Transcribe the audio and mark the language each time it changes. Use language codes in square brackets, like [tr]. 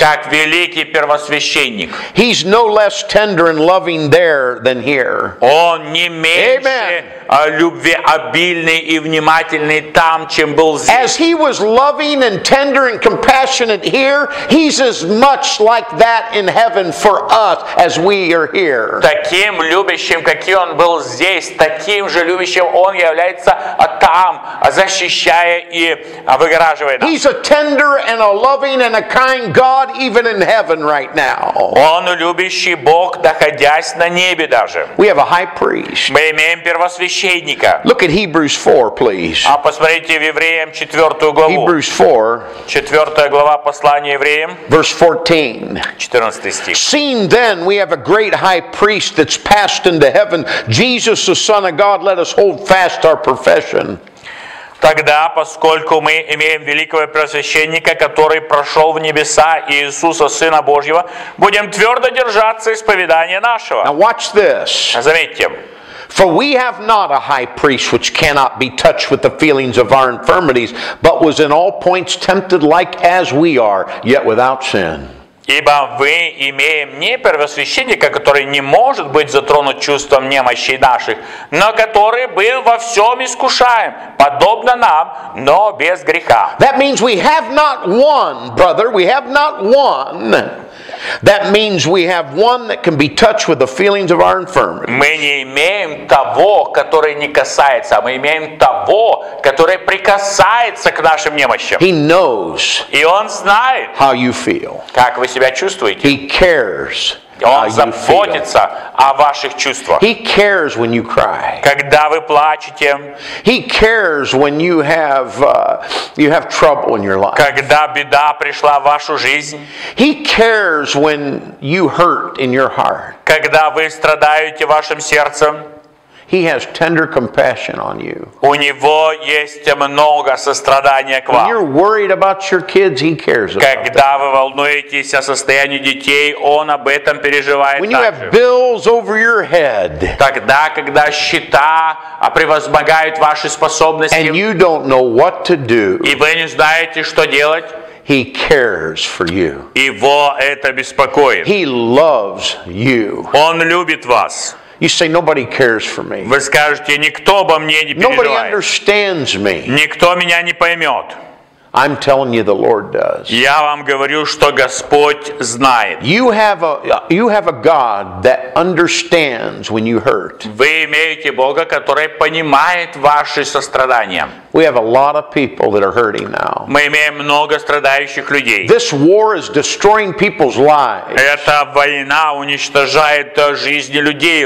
[ru] как великий первосвященник, [en] He's no less tender and loving there than here. [ru] Он не меньше любви обильный и внимательный там, чем был здесь. [en] As He was loving and tender and compassionate here, He's as much like that in heaven for us as we are here. [ru] Таким любящим, каким Он был здесь, таким же любящим Он является там, защищая и выгораживая нас. [en] He's a tender and a loving and a kind God even in heaven right now. [ru] Он любящий Бог, находясь на небе даже. [en] We have a high priest. [ru] Мы имеем первосвященника. [en] Look at Hebrews 4, please. [ru] А посмотрите в Евреям 4 главу. [en] Hebrews 4. [ru] 4 глава послания Евреям. [en] Verse 14. [ru] 14 стих. [en] Seeing then we have a great high priest that's passed into heaven, Jesus the Son of God, let us hold fast our profession. [ru] Тогда, поскольку мы имеем великого первосвященника, который прошел в небеса, Иисуса, Сына Божьего, будем твердо держаться исповедания нашего. [en] Now watch this. [ru] Заметьте. [en] For we have not a high priest which cannot be touched with the feelings of our infirmities, but was in all points tempted like as we are, yet without sin. [ru] Ибо мы имеем не первосвященника, который не может быть затронут чувством немощи наших, но который был во всем искушаем, подобно нам, но без греха. [en] That means we have not one, brother, we have not one. That means we have one that can be touched with the feelings of our infirmities. [ru] Мы не имеем того, который не касается, мы имеем того, который прикасается к нашим немощам. [en] He knows. [ru] И он знает. [en] How you feel? [ru] Как вы себя чувствуете? [en] He cares. [ru] Он заботится о ваших чувствах. [en] He cares when you cry. [ru] Когда вы плачете. [en] He cares when you have trouble in your life. [ru] Когда беда пришла в вашу жизнь. [en] He cares when you hurt in your heart. [ru] Когда вы страдаете вашим сердцем. [en] He has tender compassion on you. [ru] У него есть много сострадания к вам. [en] When you're worried about your kids, he cares about them. [ru] Когда вы волнуетесь о состоянии детей, он об этом переживает также. [en] When you have bills over your head. [ru] Тогда, когда счета превозмогают ваши способности. [en] And you don't know what to do. [ru] И вы не знаете, что делать. [en] He cares for you. [ru] Его это беспокоит. [en] He loves you. [ru] Он любит вас. [en] You say nobody cares for me. [ru] Вы скажете, никто обо мне не переживает. [en] Nobody understands me. [ru] Никто меня не поймет. [en] I'm telling you, the Lord does. [ru] Я вам говорю, что Господь знает. [en] You have a God that understands when you hurt. [ru] Вы имеете Бога, который понимает ваши сострадания. [en] We have a lot of people that are hurting now. [ru] Мы имеем много страдающих людей. [en] This war is destroying people's lives. [ru] Эта война уничтожает жизни людей.